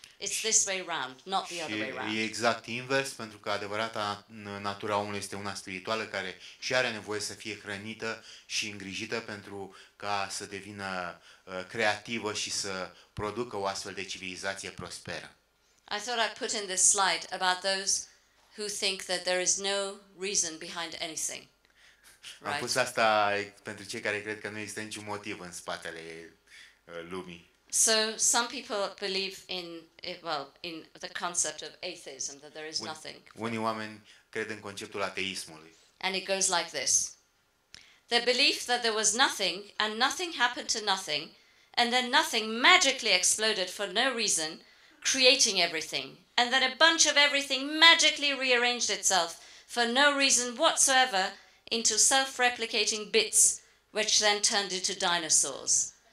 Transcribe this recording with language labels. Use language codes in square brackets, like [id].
[en] It's this way round, not the other way round. [ro] E exact invers, pentru că adevărata natura omului este una spirituală care și are nevoie să fie hrănită și îngrijită pentru ca să devină creativă și să producă o astfel de civilizație prosperă. [en] I thought I'd put in this slide about those who think that there is no reason behind anything. Right. [ro] Am pus asta pentru cei care cred că nu există niciun motiv în spatele lumii. [en] So some people believe in the concept of atheism, that there is nothing. [ro] Unii oameni cred în conceptul ateismului. [en] And it goes like this. The belief that there was nothing and nothing happened to nothing and then nothing magically exploded for no reason, creating everything. And then a bunch of everything magically rearranged itself for no reason whatsoever into self-replicating bits which then turned into dinosaurs.